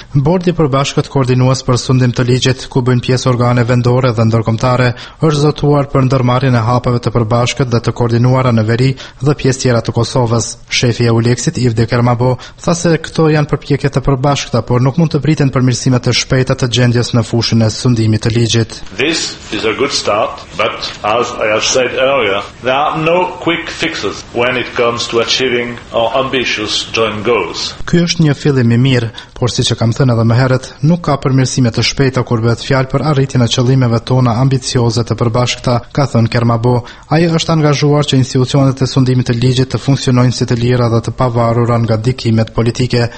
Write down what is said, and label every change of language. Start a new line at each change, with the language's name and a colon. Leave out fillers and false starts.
Albanian: Bordi i përbashkët koordinues për sundim të ligjit, ku bëjnë pjesë organe vendore dhe ndërkombëtare, është zotuar për ndërmarrjen e hapave të përbashkët dhe të koordinuara në veri dhe pjesë tjera të Kosovës. Shefi i Euleksit Ivde Kermabo tha se këto janë përpjekje të përbashkëta, por nuk mund të priten përmirësime të shpejta të gjendjes në fushën e sundimit të ligjit.
English: This is a good start, but as I have said earlier, there are no quick fixes when it comes to achieving our ambitious joint goals.
Albanian: Ky është një fillim i mirë, por siç e kam thënë edhe më herët, nuk ka përmirësime të shpejta kur bëhet fjalë për arritjen e qëllimeve tona ambicioze të përbashkëta, ka thënë Kermabo. Ai është angazhuar që institucionet e sundimit të ligjit të funksionojnë si të lira dhe të pavarura nga dikimet politike.